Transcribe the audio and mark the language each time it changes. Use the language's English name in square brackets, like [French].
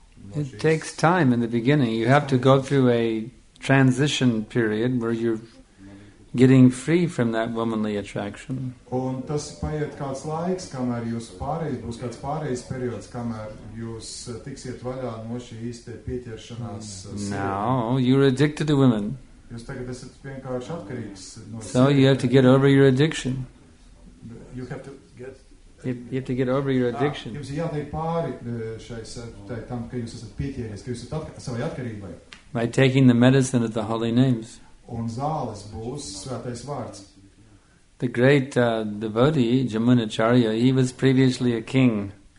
[English] No it takes time in the beginning. You have to go through a transition period where you're getting free from that womanly attraction. [Latvian] Un tas paiet kāds laiks, kamēr jūs pārējais, būs kāds pārējais periods, kamēr jūs tiksiet vaļā no šī īstē pieķeršanās. [English] No, you're addicted to women. [Latvian] Jūs tagad esat vienkārši atkarīgs. No so sievietēm. [English] You have to get over your addiction. You have to get... You have to get over your addiction. [Latvian] Jums ir jātiek pāri šai tam, ka jūs esat pieķeries, ka jūs esat savai atkarībai. [English] By taking the medicine of the holy names. [Latvian] Un zāles būs svētais vārds. [English] The great devotee, Jamunacharya, he was previously a king.